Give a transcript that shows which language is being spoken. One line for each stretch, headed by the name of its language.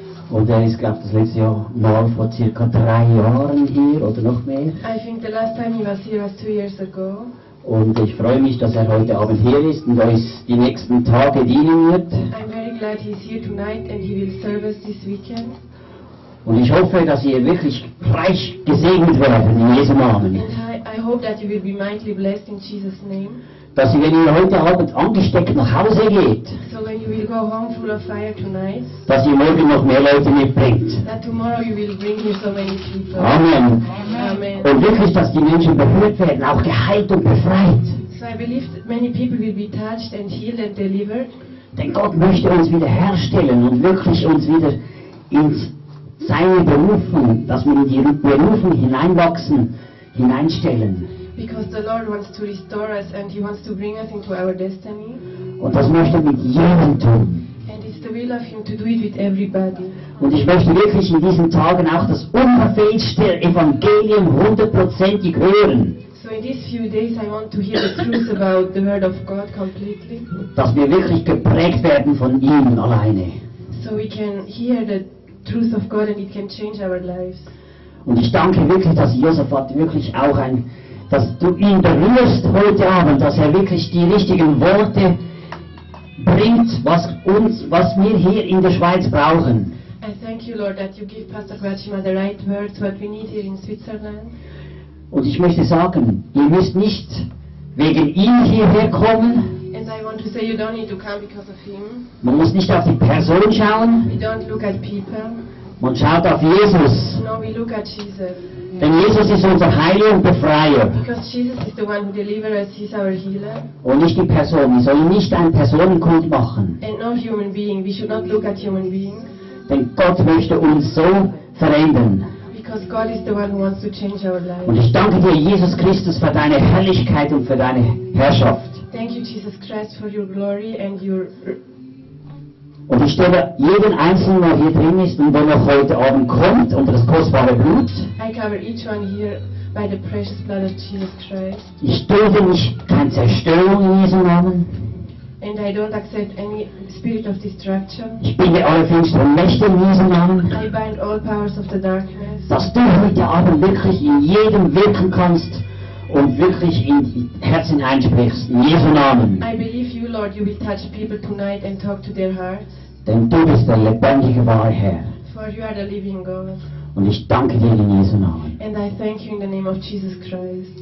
German: Und er ist, glaube ich, das letzte Jahr mal vor ca. 3 Jahren hier oder noch mehr.
English: I think the last time he was here was 2 years ago.
German: Und ich freue mich, dass er heute Abend hier ist und euch die nächsten Tage dienen wird.
English: I'm very glad he's here tonight and he will serve us this weekend.
German: Und ich hoffe, dass ihr wirklich reich gesegnet werden in Jesu Namen.
English: I hope that you will be mightily blessed in Jesus' name.
German: Dass ihr, wenn ihr heute Abend angesteckt nach Hause geht,
English: so when you will go home full of fire tonight,
German: dass ihr morgen noch mehr Leute mitbringt.
English: That tomorrow you will bring here so many people. Amen. Amen.
German: Und wirklich, dass die Menschen berührt werden, auch geheilt und befreit.
English: So I believe many people will be touched and healed and delivered.
German: Denn Gott möchte uns wieder herstellen und wirklich uns wieder in seine Berufung, dass wir in die Berufung hineinwachsen, hineinstellen.
English: Because the Lord wants to restore us and he wants to bring us into our destiny.
German: Und das möchte mit jedem tun.
English: And it's the will of him to do it with everybody.
German: Und ich möchte wirklich in diesen Tagen auch das unverfälschte Evangelium hundertprozentig hören.
English: So in these few days I want to hear the truth about the word of God completely.
German: Dass wir wirklich geprägt werden von ihm alleine.
English: So we can hear the truth of God and it can change our lives.
German: Und ich danke wirklich, dass Josef hat wirklich auch ein, dass du ihn berührst heute Abend, dass er wirklich die richtigen Worte bringt, was uns, was wir hier in der Schweiz brauchen.
English: I thank you, Lord, that you give Pastor Gachima the right words, what we need here in Switzerland.
German: Und ich möchte sagen, ihr müsst nicht wegen ihm hierher kommen.
English: And I want to say, you don't need to come because of him.
German: Man muss nicht auf die Person schauen.
English: We don't look at people.
German: Man schaut auf Jesus.
English: No, we look at Jesus.
German: Denn Jesus ist unser Heiler und Befreier.
English: Because Jesus is the one who delivers us, he's our healer.
German: Und nicht die Person. Wir sollen nicht einen Personenkult machen.
English: And no human being. We should not look at human beings.
German: Denn Gott möchte uns so verändern.
English: Because God is the one who wants to change our lives.
German: Und ich danke dir, Jesus Christus, für deine Herrlichkeit und für deine Herrschaft.
English: Thank you, Jesus Christ, for your glory and your...
German: Und ich stelle jeden Einzelnen, der hier drin ist und der noch heute Abend kommt, unter das kostbare Blut.
English: I cover each one here by the precious blood of Jesus Christ.
German: Ich dulde nicht keine Zerstörung in diesem Namen.
English: And I don't accept any spirit of destruction.
German: Ich binde alle finsteren Mächte in diesem Namen.
English: I bind all powers of the darkness.
German: Dass du heute Abend wirklich in jedem wirken kannst und wirklich in die Herzen einsprichst, in Jesu Namen.
English: I believe you, Lord, you will touch people tonight and talk to their hearts.
German: Denn du bist der lebendige, wahre Herr.
English: For you are the living God.
German: Und ich danke dir in Jesu Namen.
English: And I thank you in the name of Jesus Christ.